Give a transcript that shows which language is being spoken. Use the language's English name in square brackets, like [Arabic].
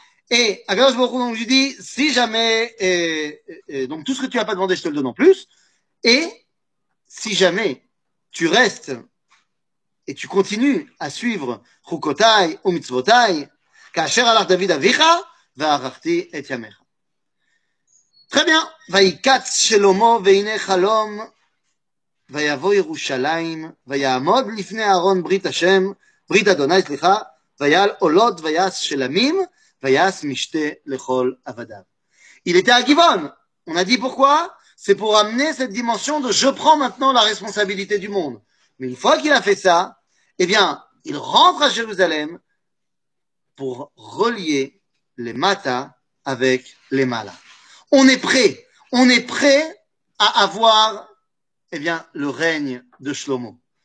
[French] Et à Gadosh Baruch Hu, donc, je lui dis, si jamais, donc, tout ce que tu n'as pas demandé, je te le donne en plus. Et si jamais tu restes et tu continues à suivre Chukotai ou Mitzvotai, [Hebrew] Kacher alach David Avicha, ואהבתי את ימיך. תחביה, ויקץ שלמה והנה חלום, ויבוא ירושלים, ויעמוד לפני אהרון ברית השם, ברית אדוני, סליחה, ויעל עולות ויעס שלמים, ויעס משתה לכל עבדיו. [French] Il était à Givon. On a dit pourquoi? C'est pour amener cette dimension de je prends maintenant la responsabilité du monde. Mais une fois qu'il a fait ça, eh bien, il rentre à Jérusalem pour relier les Mata avec les Mala. On est prêt à avoir, eh bien, le règne de Shlomo.